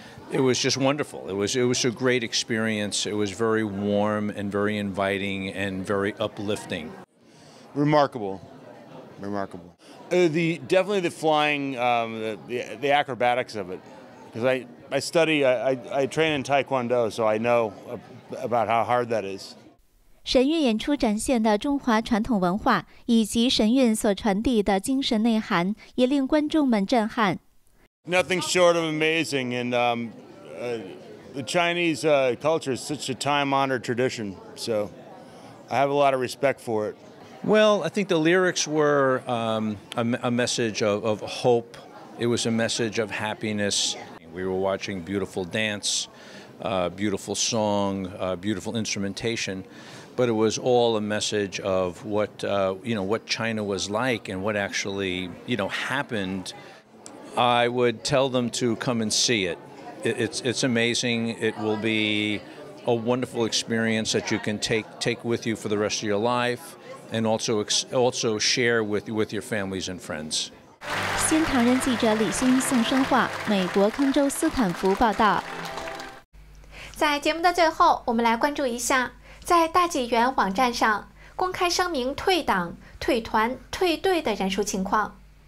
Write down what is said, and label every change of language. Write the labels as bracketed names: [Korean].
[English] It was just wonderful. It was a great experience. It was very warm and very inviting and very uplifting. Remarkable. Definitely the flying, the acrobatics of it. Because I train in Taekwondo, so I know about how hard that is. [Chinese] 神韵演出展现的中华传统文化以及神韵所传递的精神内涵也令观众们震撼。 [English] Nothing short of amazing and, the Chinese culture is such a time-honored tradition, so I have a lot of respect for it. Well, I think the lyrics were a message of hope. It was a message of happiness. We were watching beautiful dance, beautiful song, beautiful instrumentation, but it was all a message of what China was like and what actually, you know, happened. I would tell them to come and see it. It's amazing. It will be a wonderful experience that you can take with you for the rest of your life and also share with your families and friends. [Chinese] 新唐人记者李欣宋生化，美国康州斯坦福报道。在节目的最后，我们来关注一下，在大纪元网站上公开声明退党、退团、退队的人数情况。